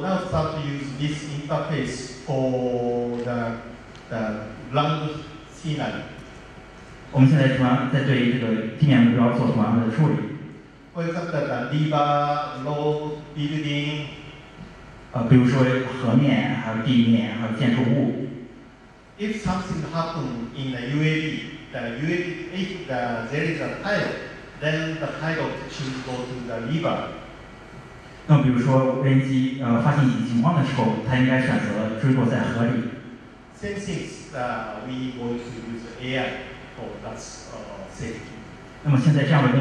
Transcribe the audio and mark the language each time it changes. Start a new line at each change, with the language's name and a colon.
English: now start to use this interface for the land scenery.
Chinese: 我们现在同样在对这个地面目标做同样的处理。
English: For example, the river, road, building.
Chinese: 比如说河面，还有地面，还有建筑物。
English: If something happened in the UAV, if there is a pilot, then the pilot should go to the river.
Chinese: 那比如说无人机发现紧急情况的时候，它应该选择坠落在河里。
English: Same thing, we going to use AI for that safety.